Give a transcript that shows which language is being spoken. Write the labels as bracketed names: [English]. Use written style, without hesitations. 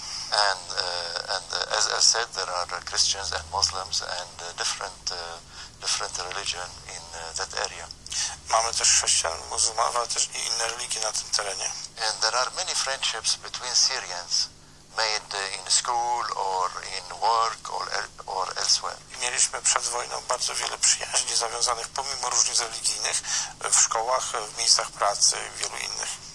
[English] And as I said, there are Christians and Muslims and different religion in that area. [Polish] Mamy też chrześcijan, muzułmanów, ale też i inne religie na tym terenie. [English] And there are many friendships between Syrians. Made in school or in work or elsewhere. [Polish] Mieliśmy przed wojną bardzo wiele przyjaźni zawiązanych pomimo różnic religijnych w szkołach, w miejscach pracy, w wielu innych.